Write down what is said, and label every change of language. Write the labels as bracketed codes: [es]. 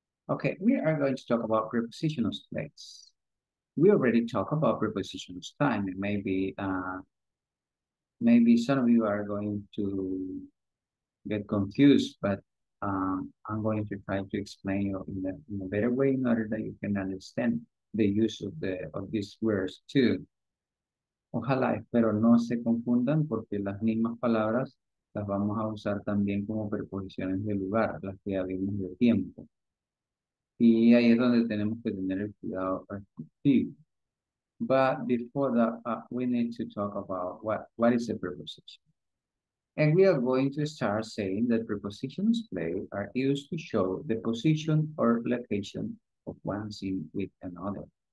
[en] Okay, we are going to talk about prepositional space. We already talked about prepositional time. Maybe some of you are going to get confused, but I'm going to try to explain in a better way in order that you can understand the use of these words too. [es] Ojalá, pero no se confundan porque las mismas palabras las vamos a usar también como preposiciones de lugar, las que ya vimos de tiempo. Y ahí es donde tenemos que tener el cuidado respectivo. [en] But before that, we need to talk about what is a preposition. And we are going to start saying that prepositions play are used to show the position or location of one thing with another.